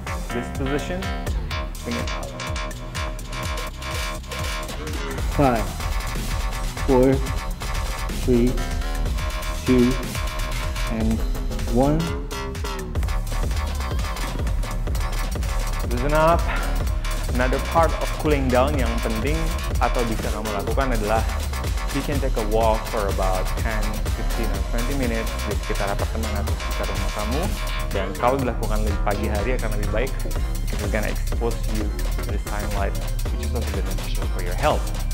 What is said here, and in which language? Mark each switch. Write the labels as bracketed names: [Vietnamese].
[English] this position, bring it up, 5, 4, 3, 2, and 1. Listen up. Another part of cooling down [Indonesian] yang penting atau bisa kamu lakukan adalah [English] you can take a walk for about 10, 15, or 20 minutes [Indonesian] di sekitar apartemen atau sekitar rumah kamu. Dan kalau dilakukan lebih pagi hari akan lebih baik. [English] It's gonna expose you to the sunlight, which is also beneficial for your health.